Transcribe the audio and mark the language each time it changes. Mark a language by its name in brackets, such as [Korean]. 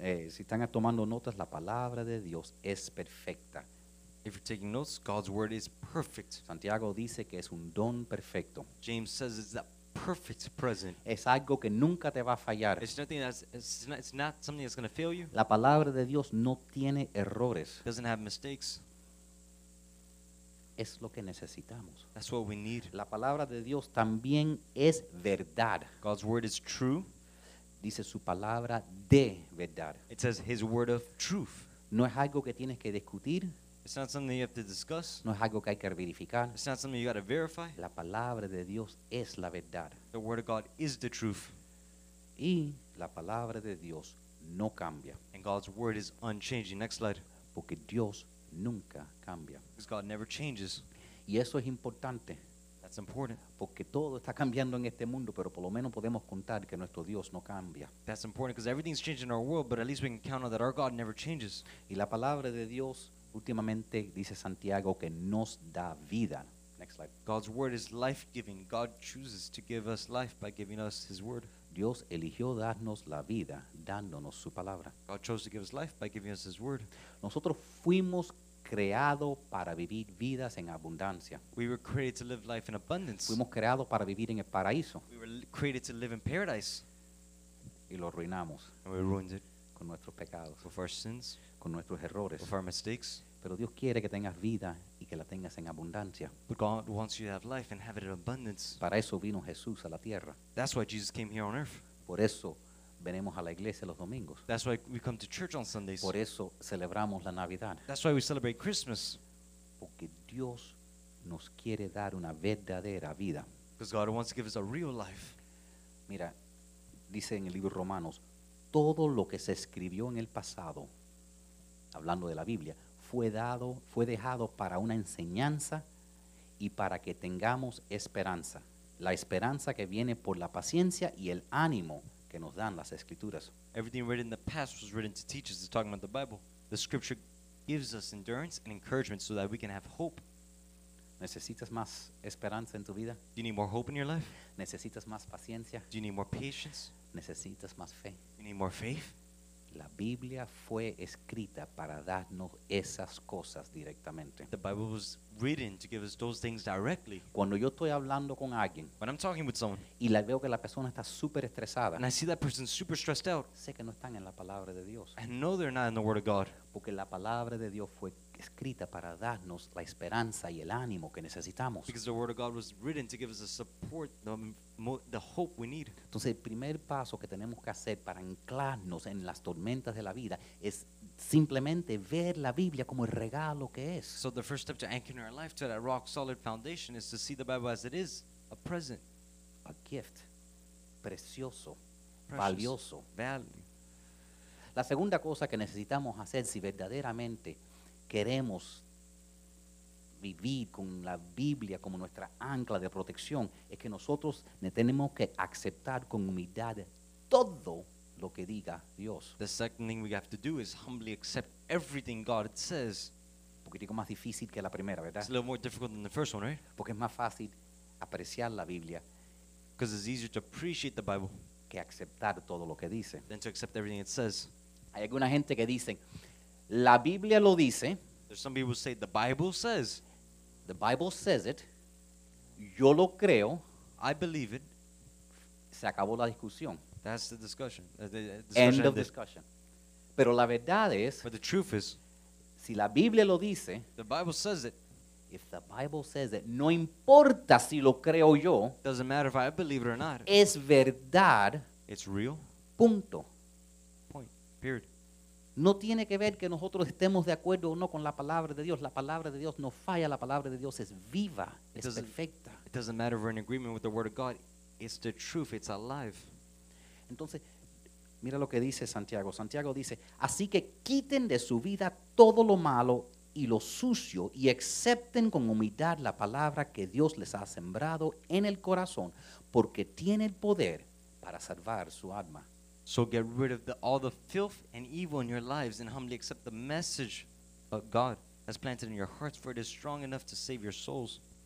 [Spanish] Si están tomando notas, la palabra de Dios es perfecta. [English] If you're taking notes, God's word is perfect. [Spanish] Santiago dice que es un don perfecto. [English] James says it's a perfect present. [Spanish] Es algo que nunca te va a fallar. [English] It's not something that's going to fail you. [Spanish] La palabra de Dios no tiene errores. [English] It doesn't have mistakes. [Spanish] Es lo que necesitamos. [English] That's what we need. [Spanish] La palabra de Dios también es verdad. [English] God's word is true. [Spanish] Dice su palabra de verdad. [English] It says his word of truth. [Spanish] No es algo que tienes que discutir. [English] It's not something you have to discuss. [Spanish] No es algo que hay que verificar. [English] It's not something you got to verify. [Spanish] La palabra de Dios es la verdad. [English] The word of God is the truth. [Spanish] Y la palabra de Dios no cambia. [English] And God's word is unchanging. Next slide. [Spanish] Porque Dios nunca cambia. [English] Because God never changes. [Spanish] Y eso es importante. [English] It's important. [Spanish] Porque todo está cambiando en este mundo, pero por lo menos podemos contar que nuestro Dios no cambia. [English] That's important because everything's changing in our world, but at least we can count on that our God never changes. [Spanish] Y la palabra de Dios últimamente dice Santiago que nos da vida. [English] Next slide. God's word is life-giving. God chooses to give us life by giving us his word. [Spanish] Dios eligió darnos la vida dándonos su palabra. [English] God chose to give us life by giving us his word. [Spanish] Nosotros fuimos creado para vivir vidas en abundancia. [English] We were created to live life in abundance. [Spanish] Fuimos creados para vivir en el paraíso. [English] We were created to live in paradise. [Spanish] Y lo arruinamos. [English] And we ruined it. [Spanish] Con nuestros pecados. [English] With our sins. [Spanish] Con nuestros errores. [English] With our mistakes. [Spanish] Pero Dios quiere que tengas vida y que la tengas en abundancia. [English] But God wants you to have life and have it in abundance. [Spanish] Para eso vino Jesús a la tierra. [English] That's why Jesus came here on earth. [Spanish] Por eso venimos a la iglesia los domingos. [English] That's why we come to church on Sundays. [Spanish] Por eso celebramos la Navidad. [English] That's why we celebrate Christmas. [Spanish] Porque Dios nos quiere dar una verdadera vida. [English] Because God wants to give us a real life. [Spanish] Mira, dice en el libro Romanos, todo lo que se escribió en el pasado, hablando de la Biblia, fue dejado para una enseñanza y para que tengamos esperanza. La esperanza que viene por la paciencia y el ánimo que nos dan las escrituras. [English] Everything written in the past was written to teach us. It's talking about the Bible. The scripture gives us endurance and encouragement so that we can have hope. [Spanish] ¿Necesitas más esperanza en tu vida? [English] Do you need more hope in your life? [Spanish] ¿Necesitas más paciencia? [English] Do you need more patience? [Spanish] ¿Necesitas más fe? [English] You need more faith? [Spanish] La Biblia fue escrita para darnos esas cosas directamente. [English] The Bible was written to give us those things directly. [Spanish] Cuando yo estoy hablando con alguien, [English] when I'm talking with someone, [Spanish] y la veo que la persona está super estresada, [English] and I see that person super stressed out, [Spanish] sé que no están en la palabra de Dios. [English] I know they're not in the word of God. [Spanish] Porque la palabra de Dios fue escrita para darnos la esperanza y el ánimo que necesitamos. [English] Because the word of God was written to give us the support, the hope we need. [Spanish] Entonces, el primer paso que tenemos que hacer para anclarnos en las tormentas de la vida es simplemente ver la Biblia como el regalo que es. [English] So the first step to anchor our life to that rock solid foundation is to see the Bible as it is, a present, a gift, [Spanish] precioso, [English] precious, [Spanish] valioso. [English] Value. [Spanish] La segunda cosa que necesitamos hacer si verdaderamente queremos vivir con la Biblia como nuestra ancla de protección es que nosotros tenemos que aceptar con humildad todo lo que diga Dios. [English] The second thing we have to do is humbly accept everything God says. [Spanish] Un poquitico más difícil que la primera, ¿verdad? [English] It's a little more difficult than the first one, right? [Spanish] Porque es más fácil apreciar la Biblia. [English] Because it's easier to appreciate the Bible. [Spanish] Que aceptar todo lo que dice. [English] Than to accept everything it says. [Spanish] Hay alguna gente que dicen, la Biblia lo dice. [English] There's some people who say, the Bible says. The Bible says it. [Spanish] Yo lo creo. [English] I believe it. [Spanish] Se acabó la discusión. [English] That's the discussion. End of discussion. [Spanish] Pero la verdad es, [English] but the truth is, [Spanish] si la Biblia lo dice, [English] the Bible says it. If the Bible says it, [Spanish] no importa si lo creo yo. [English] Doesn't matter if I believe it or not. [Spanish] Es verdad. [English] It's real. [Spanish] Punto. [English] Point. Period. [Spanish] No tiene que ver que nosotros estemos de acuerdo o no con la palabra de Dios. La palabra de Dios no falla. La palabra de Dios es viva. Es perfecta. [English] It doesn't matter if we're in agreement with the word of God. It's the truth. It's alive. [Spanish] Entonces, mira lo que dice Santiago. Santiago dice, así que quiten de su vida todo lo malo y lo sucio y acepten con humildad la palabra que Dios les ha sembrado en el corazón porque tiene el poder para salvar su alma. [English] So get rid of all the filth and evil in your lives and humbly accept the message of God has planted in your hearts, for it is strong enough to save your souls.